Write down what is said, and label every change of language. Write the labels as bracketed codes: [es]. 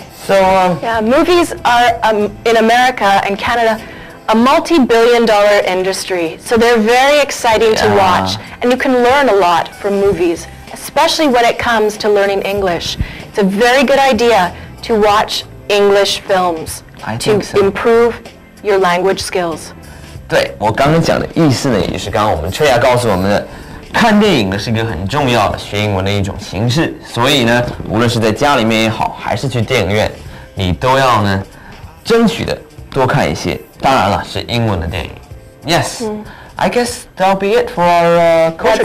[en] Yeah, movies are, in America and Canada, a multi-billion dollar industry. So they're very exciting to watch. And you can learn a lot from movies, especially when it comes to learning English. It's a very good idea to watch English films to improve your language skills. [zh] 对，我刚刚讲的意思呢，也是刚刚我们崔雅告诉我们的。看电影呢是一个很重要的学英文的一种形式，所以呢，无论是在家里面也好，还是去电影院，你都要呢，争取的多看一些。当然了，是英文的电影。Yes,、mm. [en] I guess that'll be it for our culture